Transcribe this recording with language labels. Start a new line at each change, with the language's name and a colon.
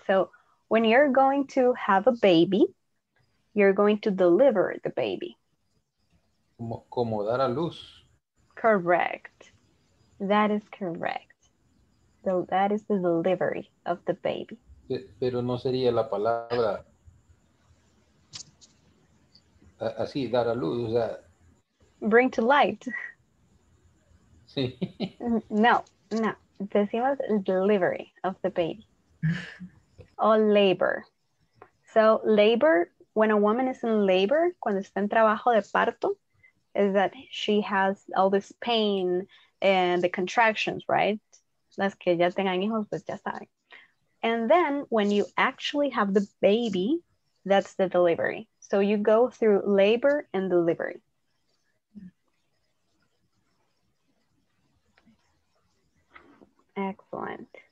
English: So when you're going to have a baby, you're going to deliver the baby.
Spanish: Como dar a luz.
English: Correct. That is correct. So that is the delivery of the baby.
Spanish: Pero no sería la palabra así, dar a luz, o sea.
English: Bring to light.
Spanish: Sí.
English: No, no.
Spanish: Decimos
English: delivery of the baby. Or labor. So labor, when a woman is in labor,
Spanish: cuando está en trabajo de parto,
English: is that she has all this pain and the contractions, right?
Spanish: Las que ya tengan hijos, pues ya saben.
English: And then when you actually have the baby, that's the delivery. So you go through labor and delivery. Excellent.